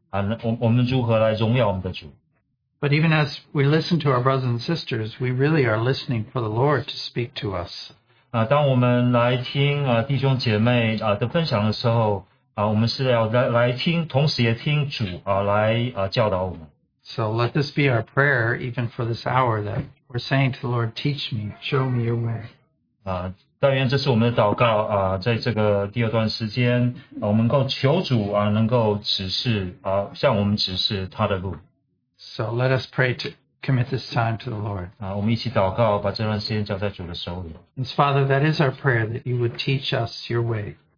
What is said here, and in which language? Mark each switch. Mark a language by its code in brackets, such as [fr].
[zh] 我们再一次有这样聚集在一起，自由分享的时间，我们能够互相交通，我们如何与主来同行，我们如何来荣耀我们的主。 [en] But even as we listen to our brothers and sisters, we really are listening for the Lord to speak to us. [zh] 当我们来听弟兄姐妹的分享的时候，我们是要来听，同时也听主来教导我们。 [en] So let this be our prayer, even for this hour, that we're saying to the Lord, teach me, show me your way. [zh] 但愿这是我们的祷告，在这个第二段时间，我们能够求主能够指示，向我们指示他的路。 [en] So let us pray to commit this time to the Lord. [zh] 我们一起祷告，把这段时间交在主的手里。And [en] Father, that is our prayer, that you would teach us your way.